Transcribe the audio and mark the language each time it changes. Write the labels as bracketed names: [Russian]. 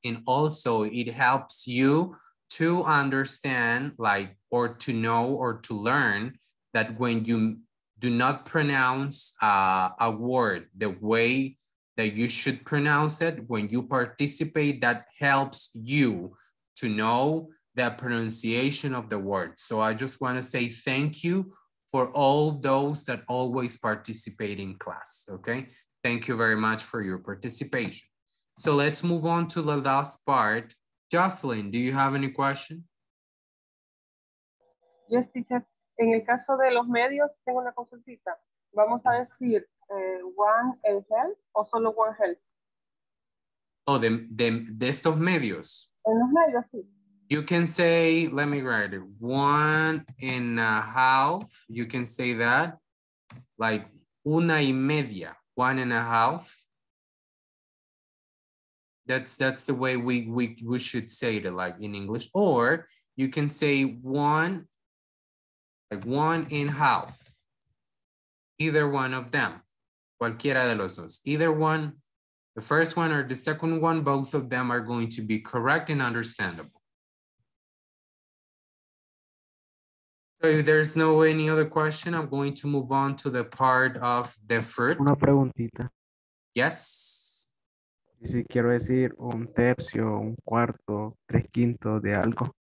[English] And also it helps you to understand or to know or to learn that when you do not pronounce a word the way that you should pronounce it, when you participate, that helps you to know the pronunciation of the word. So I just wanna say thank you for all those that always participate in class, okay? Thank you very much for your participation. So let's move on to the last part. Jocelyn, do you have any question? Yes, teacher. [Spanish] En el caso de los medios, tengo una consultita. Vamos a decir [English] one and health [Spanish] o solo [English] one health? [Spanish] Oh, de estos medios. En los medios, sí. [English] You can say, let me write it, one and a half. You can say that, like [Spanish] Una y media, [English] one and a half. That's the way we should say it, like in English. Or you can say one, like one and a half. Either one of them, [Spanish] cualquiera de los dos. [English] Either one, the first one or the second one, both of them are going to be correct and understandable. So if there's no any other question, I'm going to move on to the part of the fruit. [Spanish] Una preguntita. [English] Yes. [Spanish] Si quiero decir un tercio, un cuarto, tres quintos de algo.